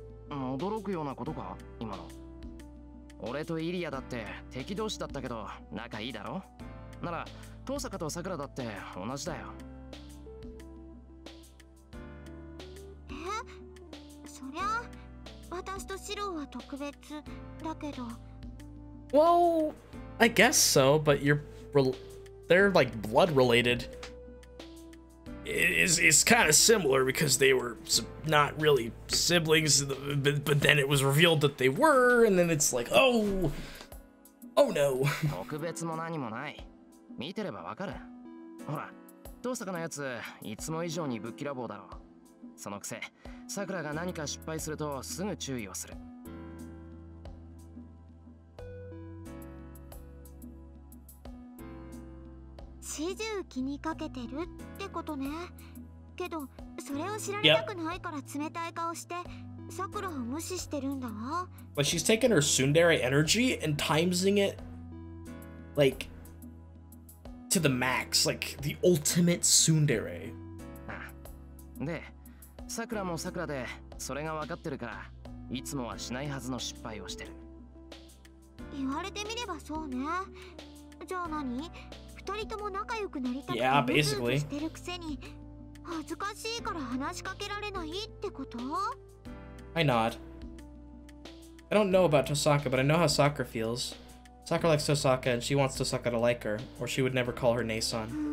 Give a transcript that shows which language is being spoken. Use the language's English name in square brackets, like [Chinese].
[Japanese] 驚くようなことか今の。俺とイリアだって敵同士だったけど仲いいだろ。なら遠坂と桜だって同じだよ。え、そりゃ私とシロは特別だけど。 [English] Well, I guess so, but they're like blood related. It's kind of similar because they were not really siblings, but then it was revealed that they were, and then it's like, oh no. [Japanese] 特別も何もない。見てればわかる。ほら、遠坂のやつ、いつも以上にぶっきらぼうだろう。そのくせ、さくらが何か失敗するとすぐ注意をする。始終気にかけてるってことね。けどそれを知られたくないから冷たい顔して、さくらを無視してるんだわ。 [English] But she's taken her tsundere energy and timesing it like to the max, like the ultimate tsundere. [Japanese] で、さくらもさくらでそれが分かってるから、いつもはしないはずの失敗をしてる。言われてみればそうね。じゃあ何？二人とも仲良くなりたくて、 [English] yeah, <basically. [Japanese] S 1> してるくせに恥ずかしいから話しかけられないってこと？ [English] Why not? I don't know about Tōsaka, but I know how Sakura feels. Sakura likes Tōsaka, and she wants Tōsaka to like her, or she would never call her Nae-san.